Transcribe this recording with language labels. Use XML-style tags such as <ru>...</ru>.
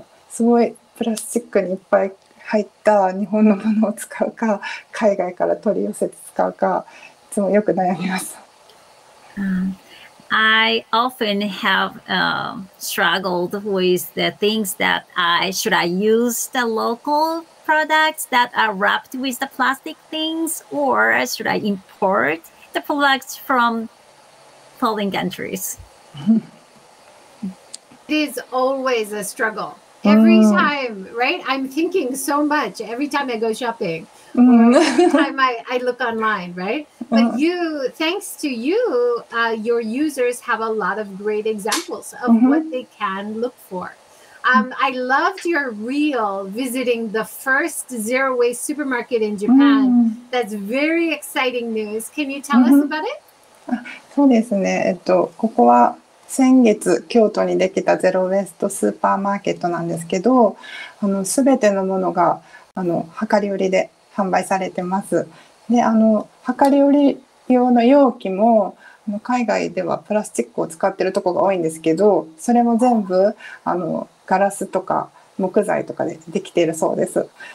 <ja>すごいプラスチックにいっぱい入った日本のものを使うか、海外から取り寄せて使うか、いつもよく悩みます。</ja> <en>I often have struggled with the things that should I use the local products that are wrapped with the plastic things, or should I import the products from foreign countries? It is always a struggle. Every time, right? I'm thinking so much every time I go shopping, or every time I look online, right? But you, thanks to you, your users have a lot of great examples of what they can look for. I loved your reel visiting the first zero waste supermarket in Japan. That's very exciting news. Can you tell us about it?</en> <ja>そうですね。ここは先月京都にできたゼロウェストスーパーマーケットなんですけど、すべてのものが量り売りで販売されてます。で、量り売り用の容器も海外ではプラスチックを使っているところが多いんですけど、それも全部ガラスとか木材とかでできているそうです。</ja>